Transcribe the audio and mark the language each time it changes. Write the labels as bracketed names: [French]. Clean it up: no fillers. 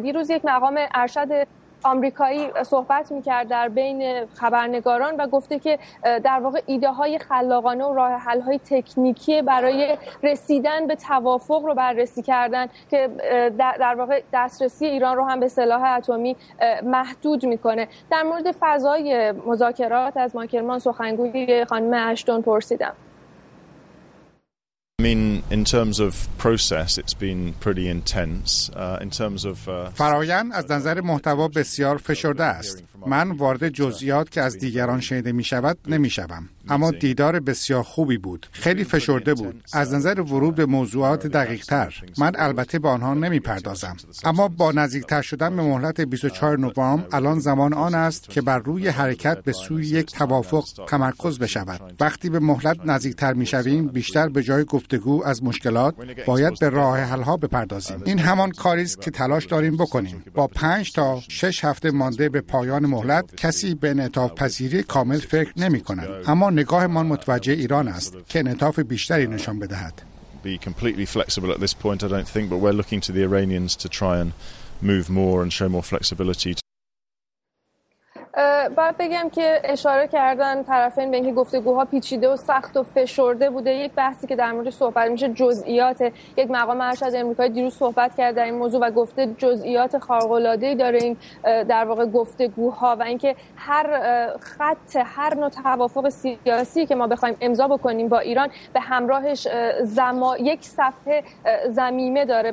[Persian] دیروز یک مقام ارشد آمریکایی صحبت میکرد در بین خبرنگاران و گفته که در واقع ایده های خلاقانه و راه حل های تکنیکی برای رسیدن به توافق رو بررسی کردن که در واقع دسترسی ایران رو هم به سلاح اتمی محدود میکنه. در مورد فضای مذاکرات از ماکرمان سخنگوی خانم اشتون پرسیدم. [English] I mean, in terms of process, it's been pretty intense. In terms of [Persian] فرایند، از نظر محتوا بسیار فشرده است. من وارد جزئیات که از دیگران شنیده می‌شود نمی‌شوم. اما دیدار بسیار خوبی بود. خیلی فشرده بود. از نظر ورود به موضوعات دقیق‌تر، من البته به آنها نمی‌پردازم. اما با نزدیک‌تر شدن به مهلت 24 نوامبر، الان زمان آن است که بر روی حرکت به سوی یک توافق تمرکز بشود. وقتی به مهلت نزدیک‌تر می‌شویم، بیشتر به جای گفتگو از مشکلات، باید به راه حل‌ها بپردازیم. این همان کاری است که تلاش داریم بکنیم. با 5 تا 6 هفته مانده به پایان مهلت، کسی به انعطاف‌پذیری کامل فکر نمی‌کند. اما نگاه من متوجه ایران است که انعطاف بیشتری نشان بدهد. [English] Be completely flexible at this point, I don't think, but we're looking to the Iranians to try and move more and show more flexibility. [Persian] باید بگم که اشاره کردن طرفین به اینکه گفتگوها پیچیده و سخت و فشرده بوده. یک بحثی که در مورد صحبت میشه جزئیات. یک مقام ارشد آمریکایی دیروز صحبت کرد در این موضوع و گفته جزئیات خارق‌العاده‌ای داره این در واقع گفتگوها و اینکه هر خط، هر نوع توافق سیاسی که ما بخوایم امضا بکنیم با ایران به همراهش یک صفحه زمینه داره.